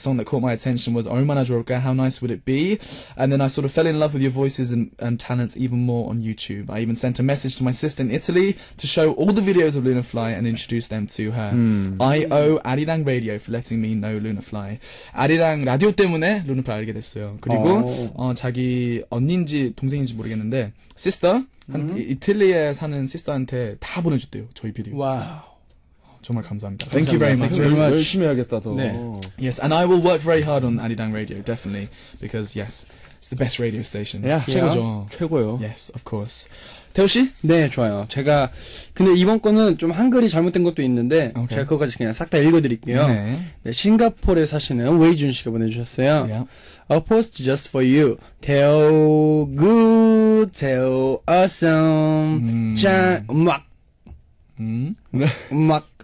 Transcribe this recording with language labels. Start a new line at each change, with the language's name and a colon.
English: The song that caught my attention was, Omana Jorka, How Nice Would It Be? And then I sort of fell in love with your voices and talents even more on YouTube. I even sent a message to my sister in Italy to show all the videos of Lunafly and introduce them to her. I owe Arirang Radio for letting me know Lunafly.
Korean: Arirang Radio 때문에 Lunafly 알게 됐어요. 그리고... Oh. 자기 언니인지 동생인지 모르겠는데 시스터 이탈리아에 사는 시스터한테 다 보내줬대요 저희 비디오. 와우 정말 감사합니다.
English: Thank you very much.
Korean: 열심히 하겠다 더. 네.
English: Yes, and I will work very hard on Arirang Radio, definitely, because yes, it's the best radio station. Yeah,
Korean: 최고죠. Yeah. 최고요.
English: Yes, of course. 태호 씨?
Korean: 네, 좋아요. 제가 근데 이번 거는 좀 한글이 잘못된 것도 있는데
English: okay.
Korean: 제가 그거까지 그냥 싹 다 읽어드릴게요. 네. 네, 싱가포르에 사시는 웨이준 씨가 보내주셨어요.
English: Yeah. A post just for you. 태호 good, 태호 awesome,
Korean: 짠, 음악. 음악.